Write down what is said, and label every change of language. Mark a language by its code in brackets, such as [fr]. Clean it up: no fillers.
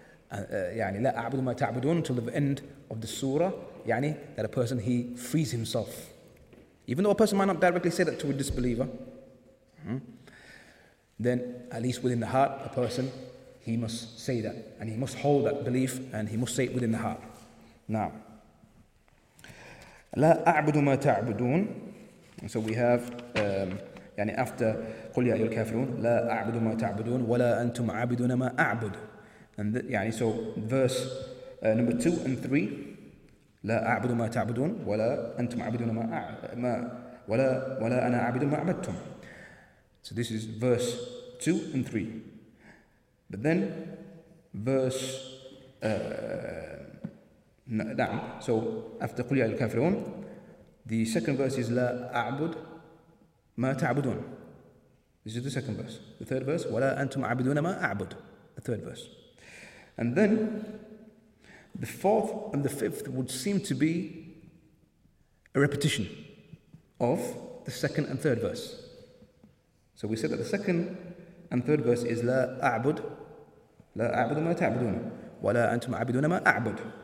[en] يعني [ar] لا أعبد ما تعبدون, [en] until the end of the surah, يعني that a person, he frees himself. Even though a person might not directly say that to a disbeliever, then at least within the heart, a person, he must say that, and he must hold that belief, and he must say it within the heart. [ar] Now, لا أعبد ما تعبدون, [en] and so we have, [ar] يعني after قل يا أيها الكافرون, لا أعبد ما تعبدون ولا أنتم عابدون ما أعبد. And يعني [en] so verse number 2 and 3, [ar] لا أعبد ما تعبدون ولا أنتم عبدون ما ولا أنا عبد ما عبدتم. [en] So this is verse 2 and 3. But then verse so after [ar] قل يا الكافرون, [en] the second verse is [ar] لا أعبد ما تعبدون. [en] This is the second verse. The third verse, [ar] ولا أنتم عبدون ما أعبد. [en] The third verse. And then the fourth and the fifth would seem to be a repetition of the second and third verse. So we said that the second and third verse is [ar] لَا أَعْبُدُ لَا أَعْبُدُ مَا تَعْبُدُونَ وَلَا أَنْتُمْ عَبِدُونَ مَا أَعْبُدُ.